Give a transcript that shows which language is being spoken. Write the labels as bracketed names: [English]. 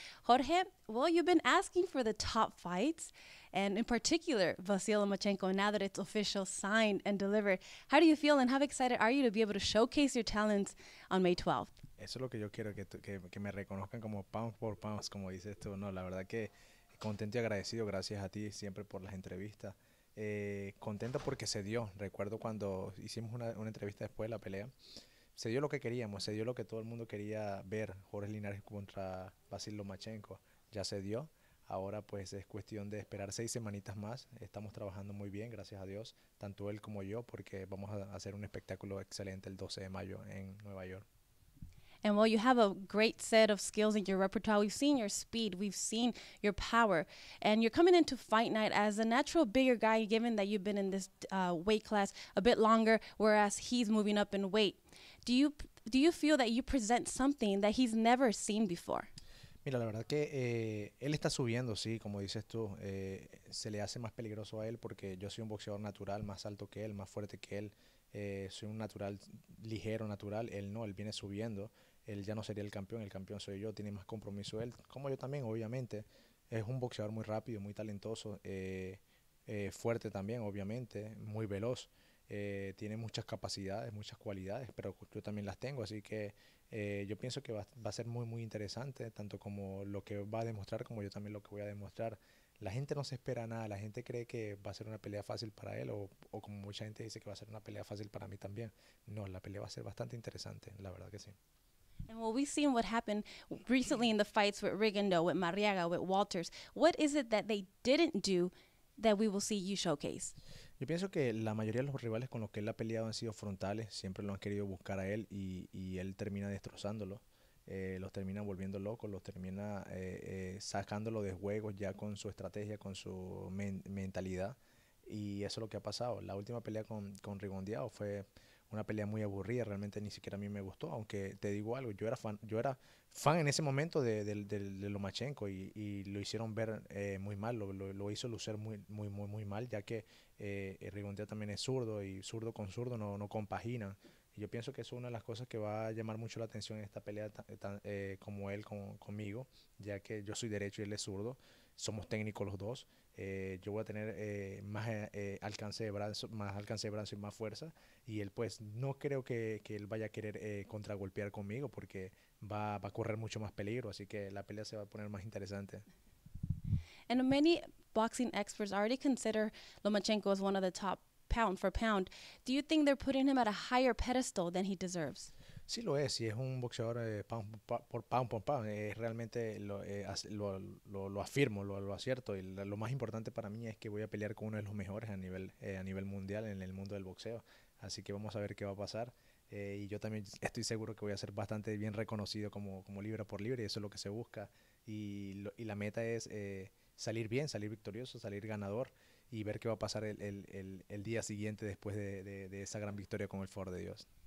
[English] Jorge, well, you've been asking for the top fights, and in particular, Vasy Lomachenko, now that it's official, signed and delivered. How do you feel, and how excited are you to be able to showcase your talents on May 12th? [Spanish] Eso es lo que yo quiero, que me reconozcan como [English] pound for pound, [Spanish] como dices tú. No, la verdad que contento y agradecido, gracias a ti siempre por las entrevistas. Contento porque se dio. Recuerdo cuando hicimos una entrevista después de la pelea, se dio lo que queríamos, se dio lo que todo el mundo quería ver, Jorge Linares contra Vasy Lomachenko. Ya se dio. Ahora pues es cuestión de esperar 6 semanitas más. Estamos trabajando muy bien, gracias a Dios, tanto él como yo, porque vamos a hacer un espectáculo excelente el 12 de mayo en Nueva York. [English] And well, you have a great set of skills in your repertoire. We've seen your speed. We've seen your power. And you're coming into fight night as a natural bigger guy, given that you've been in this weight class a bit longer, whereas he's moving up in weight. Do you feel that you present something that he's never seen before? [Spanish] Mira, la verdad que él está subiendo, sí, como dices tú. Se le hace más peligroso a él porque yo soy un boxeador natural, más alto que él, más fuerte que él. Soy un natural, ligero, natural. Él no, él viene subiendo. Él ya no sería el campeón soy yo, tiene más compromiso él, como yo también, obviamente. Es un boxeador muy rápido, muy talentoso, fuerte también, obviamente, muy veloz. Tiene muchas capacidades, muchas cualidades, pero yo también las tengo, así que yo pienso que va a ser muy, muy interesante, tanto como lo que va a demostrar, como yo también lo que voy a demostrar. La gente no se espera nada, la gente cree que va a ser una pelea fácil para él, o como mucha gente dice que va a ser una pelea fácil para mí también. No, la pelea va a ser bastante interesante, la verdad que sí. [English] And well, we've seen what happened recently in the fights with Rigondeaux, with Marriaga, with Walters. What is it that they didn't do that we will see you showcase? [Spanish] Yo pienso que la mayoría de los rivales con los que él ha peleado han sido frontales. Siempre lo han querido buscar a él y él termina destrozándolo. Los termina volviendo locos, los termina sacándolo de juego ya con su estrategia, con su mentalidad. Y eso es lo que ha pasado. La última pelea con Rigondeaux fue una pelea muy aburrida, realmente ni siquiera a mí me gustó, aunque te digo algo, yo era fan en ese momento de Lomachenko y lo hicieron ver muy mal, lo hizo lucir muy, muy, muy, muy mal, ya que Rigondeaux también es zurdo y zurdo con zurdo no compagina. Y yo pienso que eso es una de las cosas que va a llamar mucho la atención en esta pelea como él conmigo, ya que yo soy derecho y él es zurdo, somos técnicos los dos. Yo voy a tener más alcance de brazo, más alcance de brazo y más fuerza, y él pues no creo que él vaya a querer contragolpear conmigo porque va a correr mucho más peligro, así que la pelea se va a poner más interesante. [English] And many boxing experts already consider Lomachenko as one of the top pound for pound. Do you think they're putting him at a higher pedestal than he deserves? [Spanish] Sí lo es, y es un boxeador pound por pound, realmente lo afirmo, lo acierto, y lo más importante para mí es que voy a pelear con uno de los mejores a nivel mundial en el mundo del boxeo, así que vamos a ver qué va a pasar, y yo también estoy seguro que voy a ser bastante bien reconocido como libra por libra, y eso es lo que se busca, y la meta es salir bien, salir victorioso, salir ganador, y ver qué va a pasar el día siguiente después de esa gran victoria con el favor de Dios.